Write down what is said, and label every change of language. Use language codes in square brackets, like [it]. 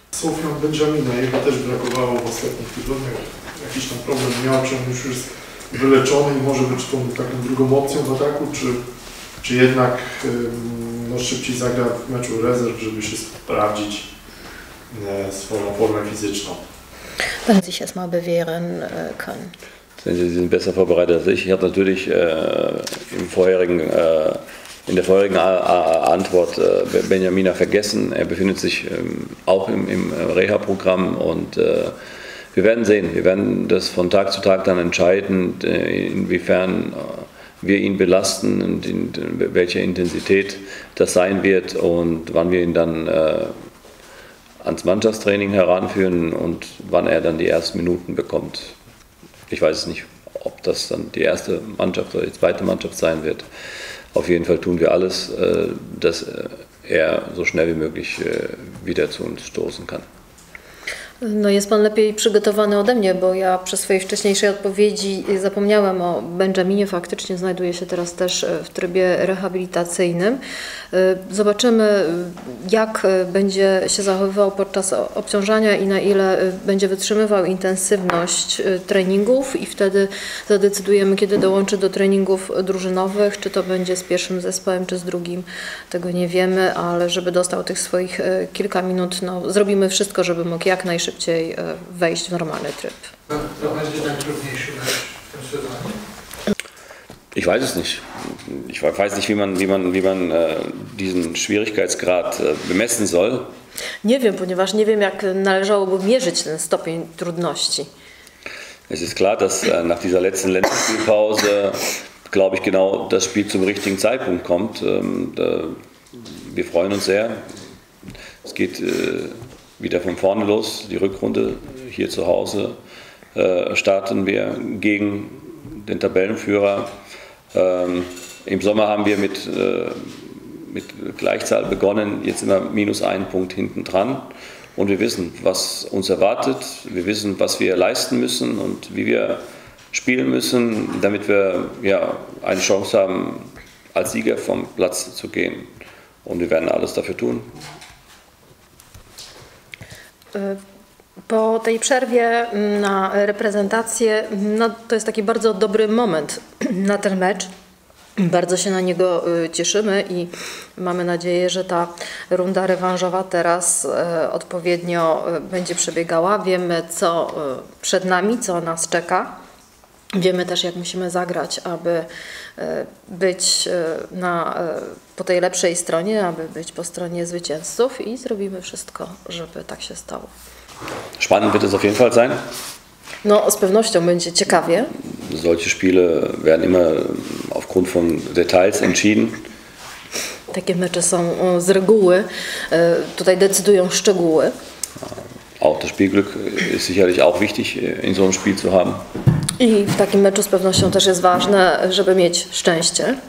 [pl] Sofian Benjamina, jego też brakowało w ostatnich tygodniach. Jakiś tam problem miał, czy on już jest wyleczony i może być tą taką drugą opcją w ataku, czy jednak no, szybciej zagra w meczu rezerw, żeby się sprawdzić swoją formę fizyczną. [de] Wenn sich erstmal bewähren können. Sie sind besser vorbereitet als ich. Ich habe natürlich in der vorherigen Antwort Benjamina vergessen. Er befindet sich auch im Reha-Programm und wir werden sehen. Wir werden das von Tag zu Tag dann entscheiden, inwiefern wir ihn belasten und in welcher Intensität das sein wird und wann wir ihn dann ans Mannschaftstraining heranführen und wann er dann die ersten Minuten bekommt. Ich weiß es nicht, ob das dann die erste Mannschaft oder die zweite Mannschaft sein wird. Auf jeden Fall tun wir alles, dass er so schnell wie möglich wieder zu uns stoßen kann. [pl] No, jest pan lepiej przygotowany ode mnie, bo ja przy swojej wcześniejszej odpowiedzi zapomniałem o Benjaminie. Faktycznie znajduje się teraz też w trybie rehabilitacyjnym. Zobaczymy, jak będzie się zachowywał podczas obciążania i na ile będzie wytrzymywał intensywność treningów i wtedy zadecydujemy, kiedy dołączy do treningów drużynowych, czy to będzie z pierwszym zespołem, czy z drugim. Tego nie wiemy, ale żeby dostał tych swoich kilka minut, no, zrobimy wszystko, żeby mógł jak najszybciej wejść w normalny tryb. To będzie najtrudniejszy mecz w tym sezonie. [de] Ich weiß es nicht. ich weiß nicht, wie man diesen Schwierigkeitsgrad bemessen soll. [pl] Nie wiem, ponieważ nie wiem, jak należałoby mierzyć ten stopień trudności. [de] Es ist klar, dass nach dieser letzten Länderspielpause, glaube ich, genau das Spiel zum richtigen Zeitpunkt kommt. Wir freuen uns sehr. Es geht wieder von vorne los, die Rückrunde hier zu Hause. Starten wir gegen den Tabellenführer. Im Sommer haben wir mit Gleichzahl begonnen, jetzt immer minus einen Punkt hinten dran. Und wir wissen, was uns erwartet, wir wissen, was wir leisten müssen und wie wir spielen müssen, damit wir ja, eine Chance haben, als Sieger vom Platz zu gehen. Und wir werden alles dafür tun. [pl] Po tej przerwie na reprezentację, no to jest taki bardzo dobry moment na ten mecz. Bardzo się na niego cieszymy i mamy nadzieję, że ta runda rewanżowa teraz odpowiednio będzie przebiegała. Wiemy, co przed nami, co nas czeka. Wiemy też, jak musimy zagrać, aby być po tej lepszej stronie, aby być po stronie zwycięzców i zrobimy wszystko, żeby tak się stało. [de] Spannend wird es auf jeden Fall sein. [pl] No, z pewnością będzie ciekawie. [de] Solche Spiele werden immer aufgrund von Details entschieden. [pl] Takie mecze są z reguły, tutaj decydują szczegóły. [de] Auch das Spielglück ist sicherlich auch wichtig in so einem Spiel zu haben. [pl] I w takim meczu z pewnością też jest ważne, żeby mieć szczęście.